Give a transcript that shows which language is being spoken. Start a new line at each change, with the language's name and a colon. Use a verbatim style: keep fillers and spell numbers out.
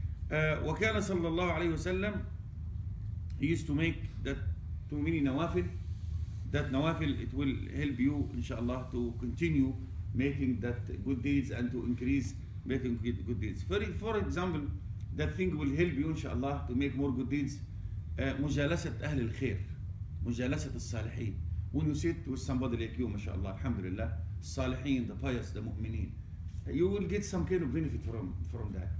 English: Uh,
Arabic: وكان صلى الله عليه وسلم,
English: he used to make that too many nawafil. That nawafil, it will help you, inshallah, to continue making that good deeds and to increase making good deeds. For, for example, that thing will help you, inshallah, to make more good deeds.
Arabic: مجالسة أهل الخير, مجالسة الصالحين.
English: When you sit with somebody like you, mashallah, alhamdulillah, salihin, the pious, the mu'mineen, you will get some kind of benefit from, from that.